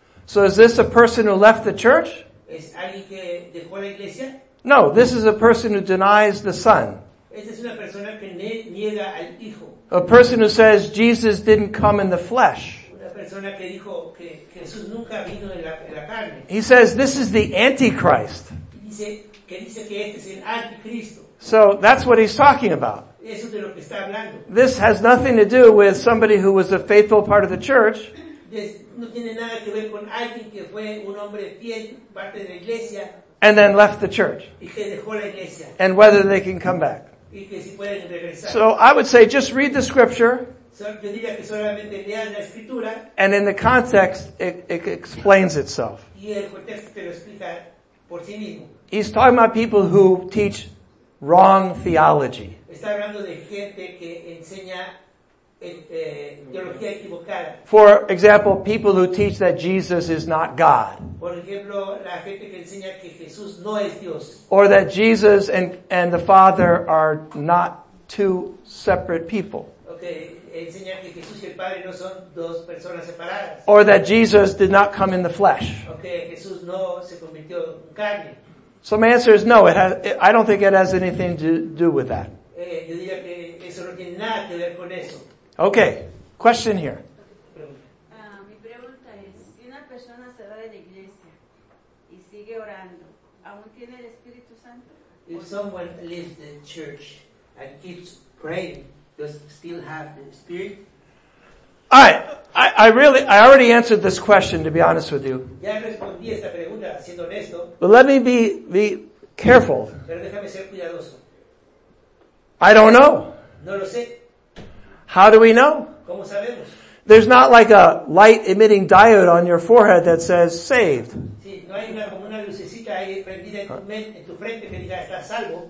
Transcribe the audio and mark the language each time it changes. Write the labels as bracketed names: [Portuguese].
[English] So is this a person who left the church? [Spanish] ¿Es alguien que dejó la iglesia? [English] No, this is a person who denies the Son. [Spanish] Esta es una persona que niega al Hijo. [English] A person who says Jesus didn't come in the flesh. [Spanish] Una persona que dijo que Jesús nunca vino en la carne. [English] He says this is the Antichrist. [Spanish] Dice que este es el Anticristo. [English] So that's what he's talking about. [Spanish] Eso de lo que está hablando. [English] This has nothing to do with somebody who was a faithful part of the church. [Spanish] No tiene nada que ver con alguien que fue un hombre fiel, parte de la iglesia. [English] And then left the church. [Spanish] Y que dejó la iglesia. [English] And whether they can come back. [Spanish] Y que si pueden regresar. [English] So I would say just read the scripture. [Spanish] So, yo diría que solamente lean la escritura. [English] And in the context, it explains itself. [Spanish] Y el contexto te lo explica por sí mismo. [English] He's talking about people who teach wrong theology. [Spanish] Está hablando de gente que enseña teología equivocada. [English] For example, people who teach that Jesus is not God. [Spanish] Por ejemplo, la gente que enseña que Jesús no es Dios. [English] Or that Jesus and the Father are not two separate people. [Spanish] Okay, enseña que Jesús y el Padre no son dos personas separadas. [English] Or that Jesus did not come in the flesh. [Spanish] Okay, Jesús no se convirtió en carne. [English] So my answer is no, I don't think it has anything to do with that. [Spanish] Yo diría que eso no tiene nada que ver con eso. [English] Okay, question here. [Spanish] Mi pregunta es, si una persona se va de la iglesia y sigue orando, ¿aún tiene el Espíritu Santo? [English] If someone leaves the church and keeps praying, does it still have the Spirit? I already answered this question, to be honest with you. [Spanish] Ya respondí esta pregunta, siendo honesto. [English] But let me be careful. [Spanish] Pero déjame ser cuidadoso. [English] I don't know. [Spanish] No lo sé. [English] How do we know? [Spanish] ¿Cómo sabemos? [English] There's not like a light emitting diode on your forehead that says saved. [Spanish] Sí, no hay una lucecita ahí prendida en tu frente que diga estás salvo.